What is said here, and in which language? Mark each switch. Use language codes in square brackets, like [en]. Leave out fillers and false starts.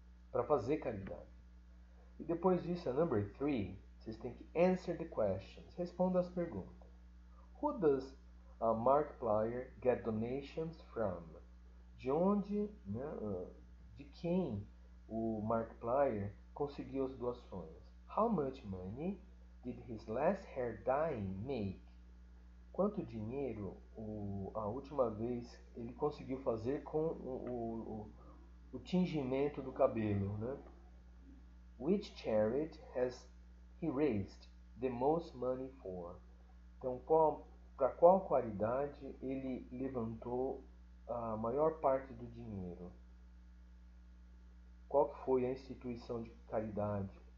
[pt] Para fazer caridade. E depois disso, a number 3, vocês têm que [en] answer the questions. [pt] Responda as perguntas. [en] Who does a Markiplier get donations from? [pt] De onde, né, de quem o Markiplier conseguiu as doações? [en] How much money did his last hair dyeing make? [pt] Quanto dinheiro a última vez ele conseguiu fazer com o tingimento do cabelo, né? [en] Which charity has he raised the most money for? [pt] Então, para qual caridade ele levantou a maior parte do dinheiro? Qual que foi a instituição de caridade?